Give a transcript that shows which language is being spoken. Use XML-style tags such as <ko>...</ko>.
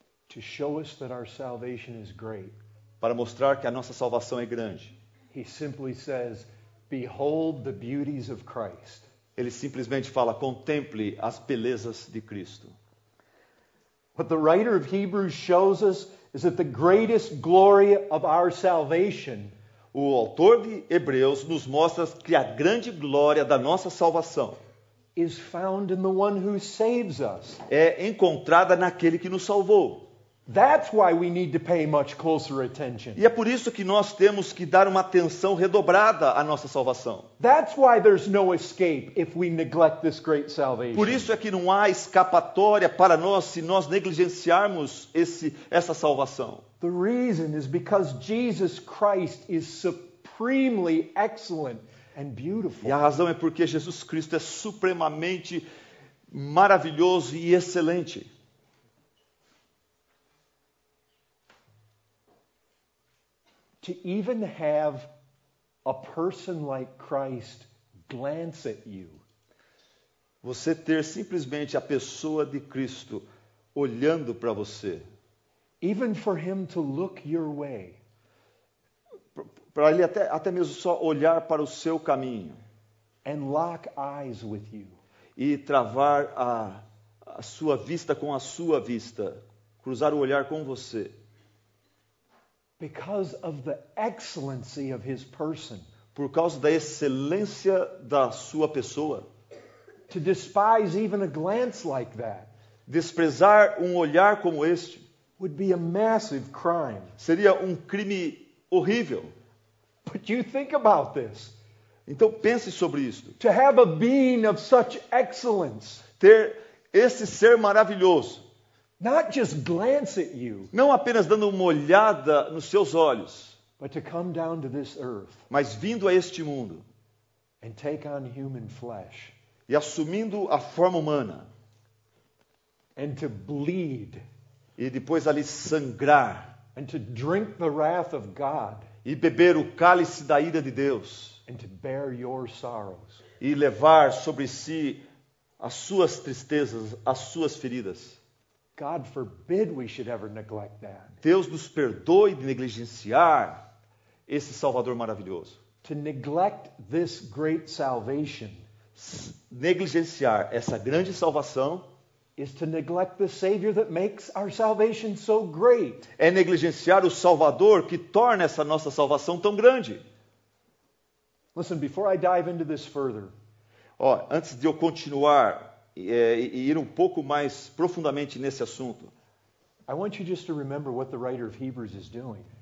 <en>To show us that our salvation is great.</en> <pt>Para mostrar que a nossa salvação é grande.</pt> <en>He simply says, "Behold the beauties of Christ."</en> <pt>Ele simplesmente fala, contemple as belezas de Cristo.</pt> <en>What the writer of Hebrews shows us is that the greatest glory of our salvation,</en> <pt>o autor de Hebreus nos mostra que a grande glória da nossa salvação,</pt> <en>is found in the one who saves us.</en> <pt>É encontrada naquele que nos salvou.</pt> <en>That's why we need to pay much closer attention.</en> <pt>E é por isso que nós temos que dar uma atenção redobrada à nossa salvação.</pt> <en>That's why there's no escape if we neglect this great salvation.</en> <pt>Por isso é que não há escapatória para nós se nós negligenciarmos essa salvação.</pt> <en>The reason is because Jesus Christ is supremely excellent and beautiful.</en> <pt>E a razão é porque Jesus Cristo é supremamente maravilhoso e excelente.</pt> <en>To even have a person like Christ glance at you.</en> <pt>Você ter simplesmente a pessoa de Cristo olhando para você.</pt> <en>Even for him to look your way.</en> <pt>Para ele até mesmo só olhar para o seu caminho.</pt> <en>And lock eyes with you.</en> <pt>E travar a sua vista com a sua vista, cruzar o olhar com você.</pt> <en>Because of the excellency of his person.</en> <pt>Por causa da excelência da sua pessoa.</pt> <en>To despise even a glance like that.</en> <pt>Desprezar um olhar como este.</pt> <en>Would be a massive crime.</en> <pt>Seria um crime horrível.</pt> <en>But you think about this.</en> <pt>Então pense sobre isto.</pt> <en>To have a being of such excellence.</en> <pt>Ter esse ser maravilhoso.</pt> <en>Not just glance at you,</en> <pt>não apenas dando uma olhada nos seus olhos,</pt> <en>but to come down to this earth,</en> <pt>mas vindo a este mundo,</pt> <en>and take on human flesh,</en> <pt>e assumindo a forma humana,</pt> <en>and to bleed,</en> <pt>e depois ali sangrar,</pt> <en>and to drink the wrath of God,</en> <pt>e beber o cálice da ira de Deus,</pt> <en>and to bear your sorrows,</en> <pt>e levar sobre si as suas tristezas, as suas feridas.</pt> <en>God forbid we should ever neglect that.</en> <pt>Deus nos perdoe de negligenciar esse Salvador maravilhoso.</pt> <en>To neglect this great salvation,</en> <pt>negligenciar essa grande salvação,</pt> <en>is to neglect the Savior that makes our salvation so great.</en> <pt>É negligenciar o Salvador que torna essa nossa salvação tão grande.</pt> <en>Listen, before I dive into this further.</en> <pt>Oh, antes de eu continuar e ir um pouco mais profundamente nesse assunto.</pt> <en>I want you just to remember what the writer of Hebrews is doing.</en>